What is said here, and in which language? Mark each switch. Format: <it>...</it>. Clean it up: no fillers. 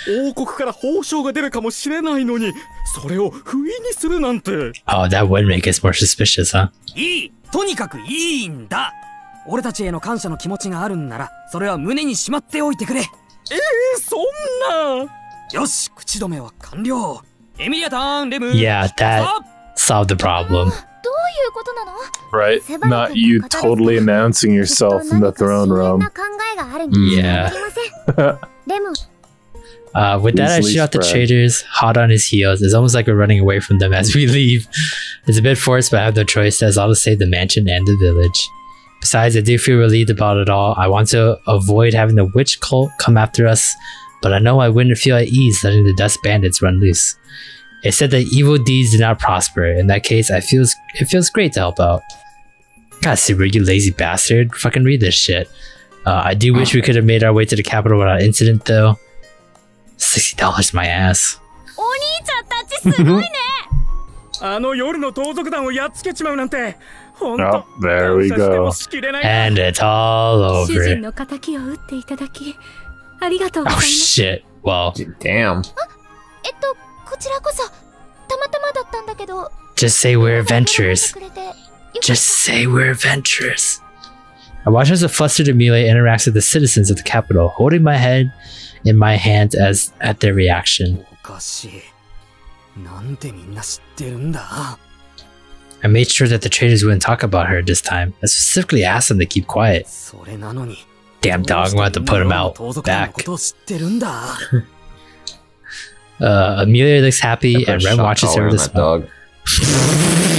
<ja>王国から報奨が出るかもしれないのに、それを不意にするなんて。</ja> <en>Oh, that would make us more suspicious, huh?</en> <ja>いい、とにかくいいんだ。俺たちへの感謝の気持ちがあるんなら、それは胸にしまっておいてくれ。そんな。よし、口止めは完了。エミリアタン、レム。</ja> <en>Yeah, that. Solve the problem. Right? Not you totally announcing yourself in the throne room. Yeah. With that, I shoot out the traitors, hot on his heels. It's almost like we're running away from them as we leave. It's a bit forced, but I have no choice. That's all to save the mansion and the village. Besides, I do feel relieved about it all. I want to avoid having the witch cult come after us, but I know I wouldn't feel at ease letting the dust bandits run loose. It said that evil deeds did not prosper. In that case, it feels great to help out. God, Subaru, you lazy bastard. Fucking read this shit. I do wish we could have made our way to the capital without incident, though. $60, my ass.</en> <ja>お兄ちゃんたちすごいね。あの夜の盗賊団をやっつけちまうなんて。</ja> <en>Oh, there we go. And it's all over.</en> <ja>主人の仇を討っていただき、ありがとうございます。</ja> <en>Oh, shit. Well. Damn.</en> <ja>こちらこそ、たまたまだったんだけど。</ja> <en>Just say we're adventurers. Just say we're adventurers. I watch as a flustered Amelia interacts with the citizens of the capital, holding my head in my hand as at their reaction.</en> <ja>おかしい。なんでみんな知ってるんだ。</ja> <en>I made sure that the traitors wouldn't talk about her this time. I specifically asked them to keep quiet.</en> <ja>それなのに。</ja> <en>Damn dog, I'm gonna have to put him out back.</en> <ja>知ってるんだ。</ja> <en>Amelia looks happy and Rem watches her with a smile.</en>